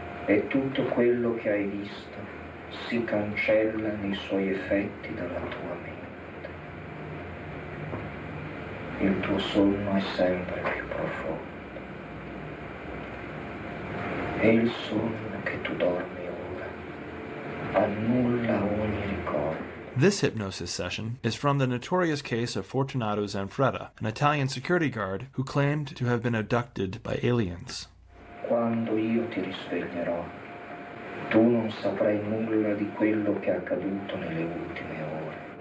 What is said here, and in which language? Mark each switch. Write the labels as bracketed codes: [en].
[it] E tutto quello che hai visto si cancella nei suoi effetti dalla tua mente. Il tuo sonno è sempre più profondo. E il sonno che tu dormi ora annulla ogni ricordo. [en] This hypnosis session is from the notorious case of Fortunato Zanfretta, an Italian security guard who claimed to have been abducted by aliens. [it] Quando io ti risveglierò, tu non saprai nulla di quello che è accaduto nelle ultime ore.